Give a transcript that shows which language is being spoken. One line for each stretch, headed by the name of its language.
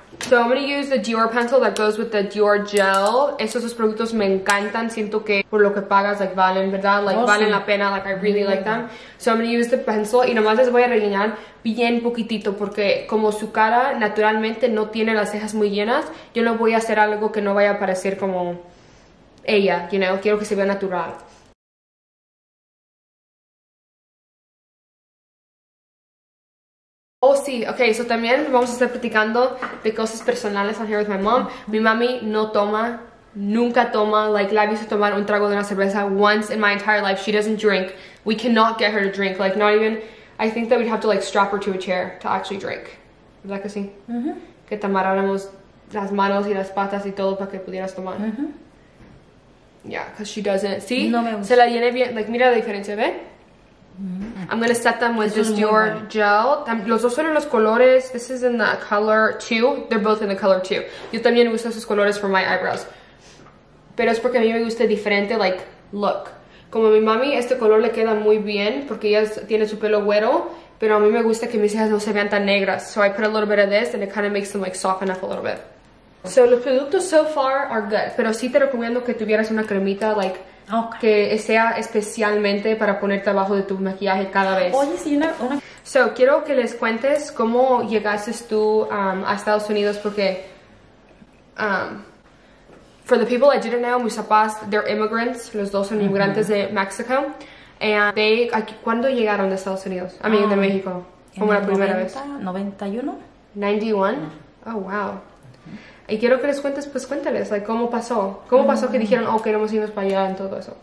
English: So I'm going to use the Dior pencil that goes with the Dior gel.
Spanish: Estos dos productos me encantan. Siento que por lo que pagas, like, valen, ¿verdad?
English: Like, oh,
Spanish: valen sí. La pena.
English: Like, I really like them. So I'm going to use the pencil.
Spanish: Y nomás les voy a rellenar bien poquitito. Porque como su cara naturalmente no tiene las cejas muy llenas, yo no voy a hacer algo que no vaya a parecer como ella,
English: you know?
Spanish: Quiero que se vea natural. Oh, sí, ok, eso también vamos a estar platicando de cosas personales.
English: I'm here with my mom.
Spanish: Mi mami no toma, nunca toma, like, la he visto tomar un trago de una cerveza
English: once in my entire life. She doesn't drink. We cannot get her to drink, like, not even. I think that we'd have to, like, strap her to a chair to actually drink.
Spanish: ¿Verdad que sí? Mm-hmm. Que te amarráramos las manos y las patas y todo para que pudieras tomar. Mm-hmm.
English: Yeah, because she doesn't.
Spanish: ¿Sí? No me gusta. Se la llena bien, like, mira la diferencia, ¿ve?
English: I'm gonna set them with this Dior gel.
Spanish: Los dos son en los colores.
English: This is in the color 2. They're both in the color 2.
Spanish: Yo también uso esos colores
English: for my eyebrows.
Spanish: Pero es porque a mí me gusta diferente, like, look. Como a mi mami, este color le queda muy bien porque ella tiene su pelo güero. Pero a mí me gusta que mis cejas no se vean tan negras.
English: So I put a little bit of this and it kind of makes them, like, soften up a little bit. So
Spanish: los productos
English: so far are good.
Spanish: Pero sí te recomiendo que tuvieras una cremita, like,
English: okay,
Spanish: que sea especialmente para ponerte abajo de tu maquillaje cada vez. Oye, sí, una... So, quiero que les cuentes cómo llegaste tú a Estados Unidos porque...
English: for the people that didn't know,
Spanish: mis papás,
English: they're immigrants.
Spanish: Los dos son inmigrantes, mm-hmm, de México.
English: And they...
Spanish: ¿Cuándo llegaron de Estados Unidos? A mí, de México. ¿Cómo la primera 90, vez? 91.
English: Oh, wow.
Spanish: Y quiero que les cuentes, pues cuéntales, like, ¿cómo pasó? ¿Cómo pasó que dijeron, oh, queremos irnos para allá en todo eso?